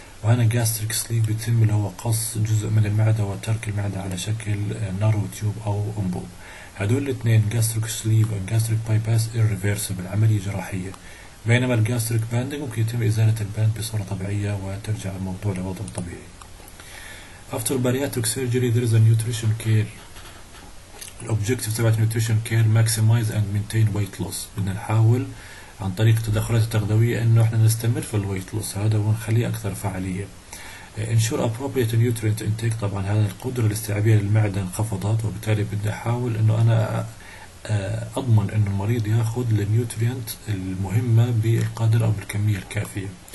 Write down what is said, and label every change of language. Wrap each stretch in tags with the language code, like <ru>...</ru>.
<ar>وهنا جاستريك سليب بيتم اللي هو قص جزء من المعدة وترك المعدة على شكل نارو تيوب او انبوب. هدول الاثنين جاستريك سليب وجاستريك باي باس ايرريفيرسيبل، عملية جراحية، بينما الجاستريك باندنج ممكن يتم ازالة الباند بصورة طبيعية وترجع الموضوع لوضعه الطبيعي.</ar> <en>After bariatric surgery there is a nutrition care.</en> <ar>الobjective تبعت</ar> <en>nutrition care maximize and maintain weight loss،</en> <ar>بدنا نحاول عن طريق التدخلات التغذوية انه احنا نستمر في الويت لوس هذا ونخليه اكثر فعالية.</ar> <en>Ensure appropriate nutrient intake،</en> <ar>طبعا هذا القدرة الاستيعابية للمعدة انخفضت، وبالتالي بدي احاول انه انا اضمن انه المريض ياخذ النيوترينت المهمة بالقدر او بالكمية الكافية.</ar>